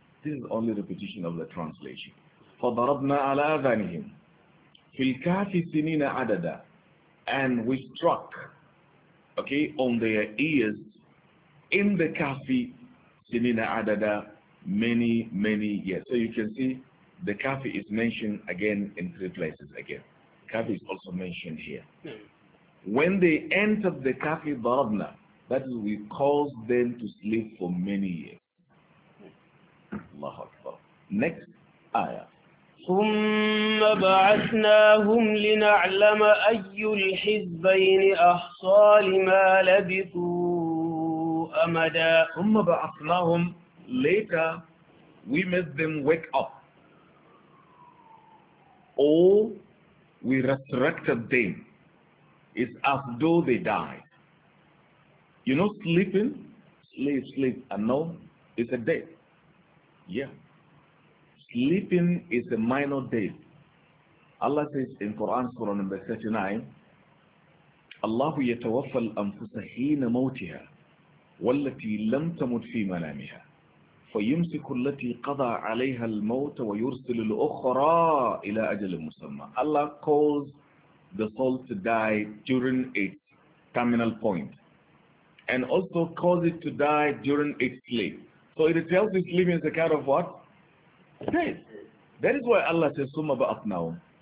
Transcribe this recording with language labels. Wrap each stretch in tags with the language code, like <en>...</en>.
<en>This is only repetition of the translation.</en> <ar>فضربنا على آذانهم في الكاف سنين عددا,</ar> <en>and we struck, okay, on their ears in the</en> <ar>كاف سنين عددا</ar> <en>many, many years. So you can see the كاف is mentioned again in three places again. كاف is also mentioned here. When they entered the كاف</en> <ar>ضربنا,</ar> <en>that is, we caused them to sleep for many years.</en> <ar>الله أكبر.</ar> <en>Next ayah.</en> <ar>ثم بعثناهم لنعلم أي الحزبين أحصى لما لبثوا أمدا. ثم بعثناهم</ar> <en>later, we made them wake up, or we resurrected them. It's as though they died. You know, sleeping, sleep, and no, it's a death. Yeah. Sleeping is a minor death. Allah says in Quran, Surah number 39, Allah</en> <ar>يتوفى الأنفس حين موتها والتي لم تمت في منامها فيمسك التي قضى عليها الموت ويرسل الأخرى إلى أجل مسمى.</ar> <en>Allah calls the soul to die during its terminal point, and also calls it to die during its sleep. So it tells you sleeping is a kind of what? Death. That is why Allah says,</en> <ar>summa ba'athnahum.</ar>